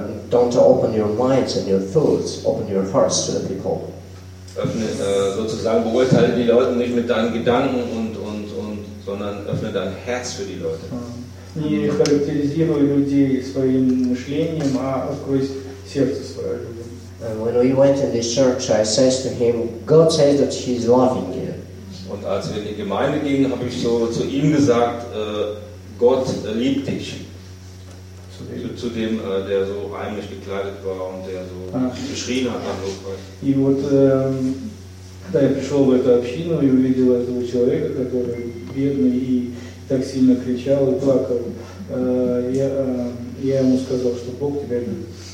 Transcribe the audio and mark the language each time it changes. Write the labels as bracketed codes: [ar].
[en] Don't open your minds and your thoughts. Open your hearts to the people. [de] Öffne, sozusagen beurteile die Leute nicht mit deinen Gedanken und sondern öffne dein Herz für die Leute. [ru] не характеризируя людей своим мышлением, а сквозь сердце свое людям. [en] When we went to the church, I said to him, God says that he's loving you. [de] Und als wir in die Gemeinde gingen, habe ich so zu ihm gesagt, Gott liebt dich. Zu dem, der so reinlich gekleidet war und der so geschrien hat. Ja. [ru] И вот, когда я пришел в эту общину и увидел этого человека, который бедный и так сильно кричал и плакал, я ему сказал, что Бог тебя любит.